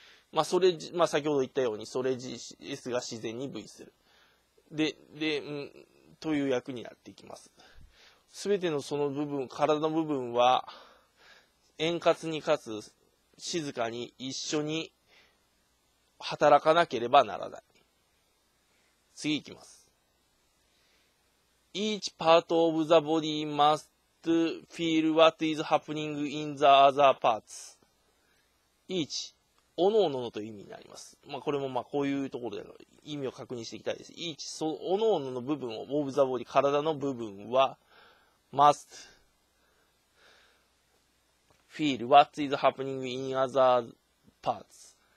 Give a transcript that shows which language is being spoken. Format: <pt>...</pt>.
<ja>まあ、それ、まあ、先ほど言ったように、それ S が自然に V するで、という役になっていきます。すべてのその部分、体の部分は円滑にかつ静かに一緒に働かなければならない。次いきます。</ja> <en>Each part of the body must feel what is happening in the other parts。</en> <ja>Each、 おのおののという意味になります。まあ、これもまあこういうところでの意味を確認していきたいです。</ja> <en>Each、</en> <ja>そのおのおのの部分を、</ja> <en>of the body、</en> <ja>体の部分は</ja> <en>mustFeel what is happening in other parts。</en>